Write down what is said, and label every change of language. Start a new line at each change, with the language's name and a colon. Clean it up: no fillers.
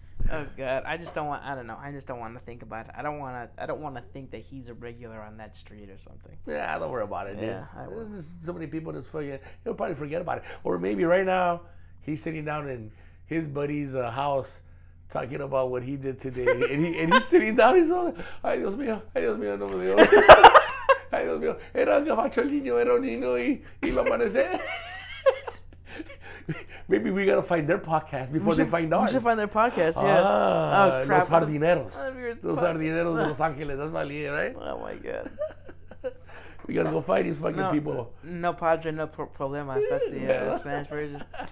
English: Oh god, I just don't want to think about it. I don't want to think that he's a regular on that street or something. Yeah, don't worry about it, dude. Yeah, there's just so many people just fucking, he'll probably forget about it. Or maybe right now he's sitting down in his buddy's house talking about what he did today, and he's sitting down, he's all,
Spanish: ay Dios mío, no me dio. Ay Dios mío, era gabacho el niño, era un niño y lo amanece.
English: Maybe we gotta find their podcast before they find ours. We should find their podcast, yeah. Los Jardineros. Los Jardineros de Los Angeles. That's my lead, right? Oh my god. We gotta go find these fucking people.
Spanish: No padre, no problema,
English: especially the Spanish version.